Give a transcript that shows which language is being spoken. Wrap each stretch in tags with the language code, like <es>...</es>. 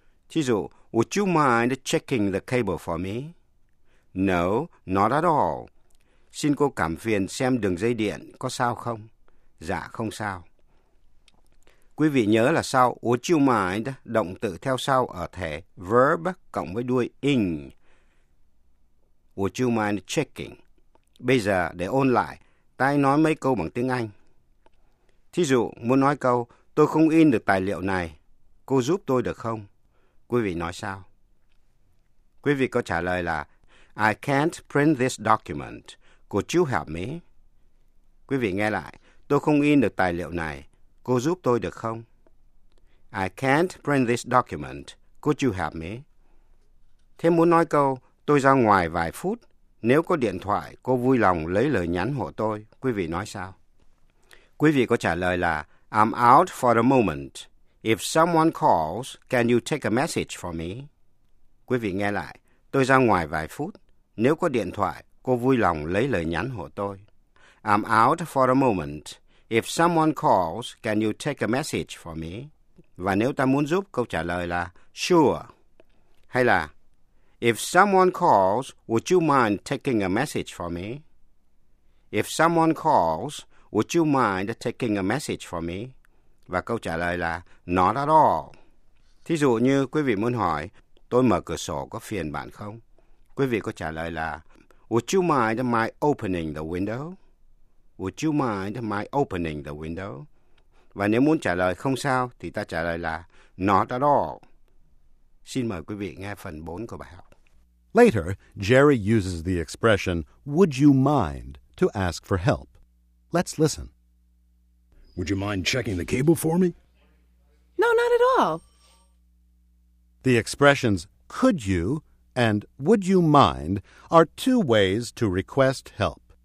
<vi>Thí dụ,</vi> <en>would you mind checking the cable for me? No, not at all.</en> <vi>Xin cô cảm phiền xem đường dây điện có sao không? Dạ, không sao. Quý vị nhớ là sau</vi> <en>would you mind,</en> <vi>động từ theo sau ở thể verb cộng với đuôi ing.</vi> <en>Would you mind checking?</en> <vi>Bây giờ, để ôn lại, ta nói mấy câu bằng tiếng Anh. Thí dụ, muốn nói câu, tôi không in được tài liệu này, cô giúp tôi được không? Quý vị nói sao? Quý vị có trả lời là,</vi> <en>I can't print this document. Could you help me?</en> <vi>Quý vị nghe lại, tôi không in được tài liệu này, cô giúp tôi được không?</vi> <en>I can't print this document. Could you help me?</en> <vi>Thế muốn nói câu, tôi ra ngoài vài phút. Nếu có điện thoại, cô vui lòng lấy lời nhắn hộ tôi. Quý vị nói sao? Quý vị có trả lời là</vi> <en>I'm out for a moment. If someone calls, can you take a message for me?</en> <vi>Quý vị nghe lại. Tôi ra ngoài vài phút. Nếu có điện thoại, cô vui lòng lấy lời nhắn hộ tôi.</vi> <en>I'm out for a moment. If someone calls, can you take a message for me?</en> <vi>Và nếu ta muốn giúp, câu trả lời là sure. Hay là</vi> <en>If someone calls, would you mind taking a message for me? If someone calls, would you mind taking a message for me?</en> <vi>Và câu trả lời là</vi> <en>not at all.</en> <vi>Thí dụ như quý vị muốn hỏi, tôi mở cửa sổ có phiền bạn không? Quý vị có trả lời là</vi> <en>Would you mind my opening the window? Would you mind my opening the window?</en> <vi>Và nếu muốn trả lời không sao, thì ta trả lời là</vi> <en>not at all.</en> <vi>Xin mời quý vị nghe phần 4 của bài học.</vi> <en>Later, Jerry uses the expression, would you mind, to ask for help. Let's listen. Would you mind checking the cable for me? No, not at all. The expressions could you and would you mind are two ways to request help.</en>